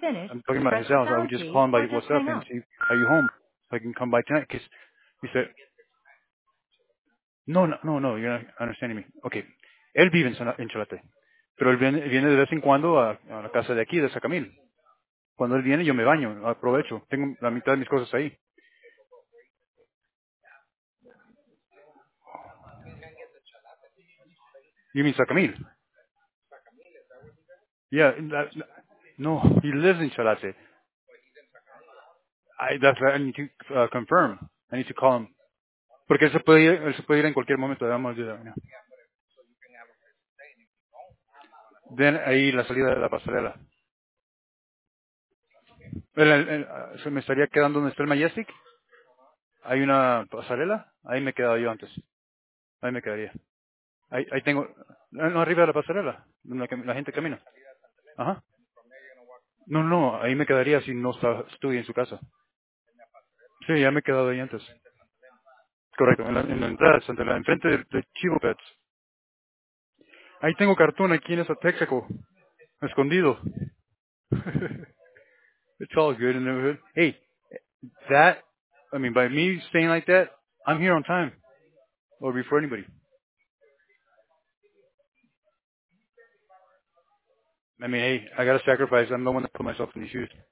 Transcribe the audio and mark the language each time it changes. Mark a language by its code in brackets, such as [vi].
[en] I'm talking about his house. I would just call him by what's up and see, are you home? So I can come by tonight. Because he said, no, you're not understanding me. [es] Okay. Él vive en Cholate. Pero él viene de vez en cuando a la casa de aquí, de Sacamil. Cuando él viene, yo me baño, aprovecho. Tengo la mitad de mis cosas ahí. [en] You mean Sacamil? Yeah, no, he lives in Cholate. I need to confirm. I need to call him. [es] Porque él se puede ir en cualquier momento. Then ahí la salida de la pasarela. ¿Se me estaría quedando donde está el Majestic? ¿Hay una pasarela? Ahí me he quedado yo antes. Ahí me quedaría. Ahí tengo... No, arriba de la pasarela, donde la gente camina. Ajá. No, ahí me quedaría si no estuve en su casa. Sí, ya me he quedado ahí antes. Correcto, en la entrada de Santa Elena, enfrente de Chivo Pets. Ahí tengo cartón aquí en esa Texaco, escondido. [en] It's all good in the neighborhood. Hey, that, I mean, by me staying like that, I'm here on time. Or before anybody. I mean, hey, I gotta sacrifice. I'm the one that put myself in these shoes.